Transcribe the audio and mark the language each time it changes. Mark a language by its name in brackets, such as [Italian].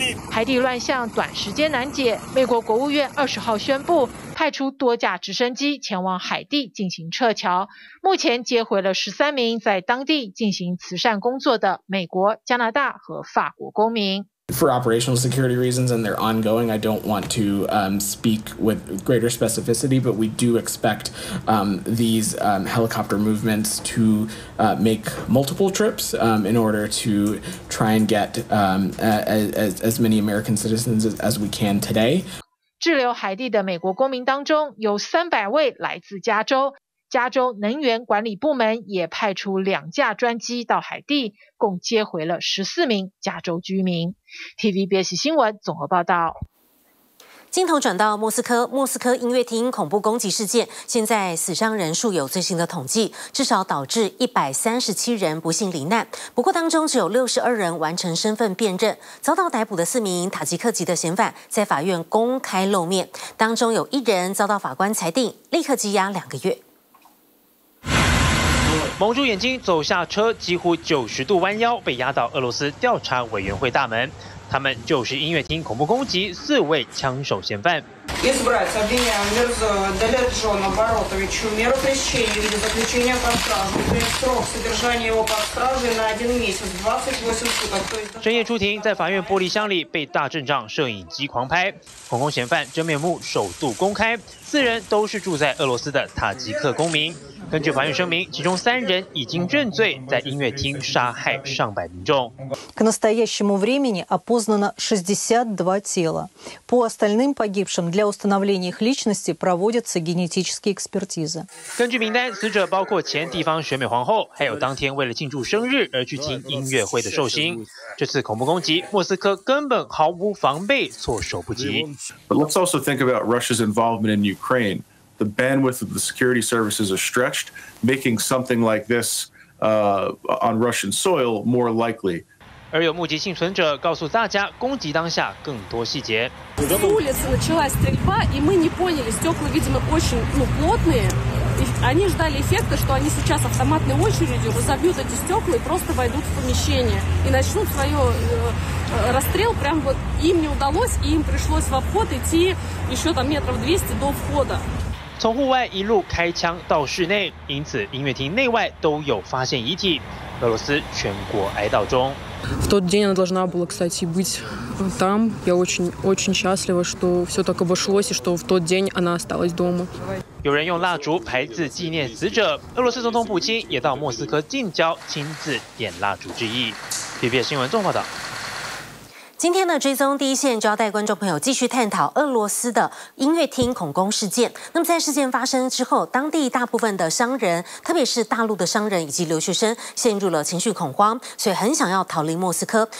[Chinese] 海地乱象短时间难解，美国国务院20号宣布派出多架直升机前往海地进行撤侨，目前接回了13名在当地进行慈善工作的美国、加拿大和法国公民。 [English] For operational security reasons and they're ongoing, I don't want to speak with greater specificity, but we do expect these helicopter movements to make multiple trips in order to try and get as many American citizens as we can today. [Chinese] 滞留海地的美国公民当中有300位来自加州，加州能源管理部门也派出2架专机到海地，共接回了14名加州居民。 TVBS 新闻综合报道。镜头转到莫斯科，莫斯科音乐厅恐怖攻击事件，现在死伤人数有最新的统计，至少导致137人不幸罹难。不过当中只有62人完成身份辨认，遭到逮捕的4名塔吉克籍的嫌犯在法院公开露面，当中有1人遭到法官裁定立刻羁押2个月。蒙住眼睛走下车，几乎90度弯腰，被押到俄罗斯调查委员会大门。他们就是音乐厅恐怖攻击4位枪手嫌犯。 [Russian] избрать обвиняемого Далетжона Баротовича в меру пресечения в виде заключения под стражу. Срок содержания его под стражей на 1 месяц, 28 суток. [Chinese] 深夜出庭，在法院玻璃箱里被大阵仗摄影机狂拍，恐攻嫌犯真面目首度公开，四人都是住在俄罗斯的塔吉克公民。根据法院声明，其中三人已经认罪，在音乐厅杀害上百民众。 [Russian] К настоящему времени опознано 62 тела. По остальным погибшим для установления их личности проводятся генетические экспертизы. [Chinese] 根据名单，死者包括前地方选美皇后，还有当天为了庆祝生日而去听音乐会的寿星。这次恐怖攻击，莫斯科根本毫无防备，措手不及。 [English] But let's also think about Russia's involvement in Ukraine. The bandwidth of the security services are stretched, making something like this on Russian soil more likely. [Chinese] 而有目击幸存者告诉大家，攻击当下更多细节。 [Russian] С улицы началась стрельба, и мы не поняли. Стекла, видимо, очень плотные. Они ждали эффекта, что они сейчас автоматной очередью разобьют эти стекла и просто войдут в помещение и начнут свое расстрел. Прям вот им не удалось, и им пришлось в обход идти еще там метров 200 до входа. [Chinese] 从户外一路开枪到室内，因此音乐厅内外都有发现遗体。俄罗斯全国哀悼中。 [Russian] В тот день она должна была, кстати, быть там. Я очень, очень счастлива, что все так обошлось и что в тот день она осталась дома. [Chinese] 有人用蜡烛牌子纪念死者，俄罗斯总统普京也到莫斯科近郊亲自点蜡烛致意。 TVBS 新闻综合报道。今天的追踪第一线就要带观众朋友继续探讨俄罗斯的音乐厅恐攻事件。那么在事件发生之后，当地大部分的商人，特别是大陆的商人以及留学生，陷入了情绪恐慌，所以很想要逃离莫斯科。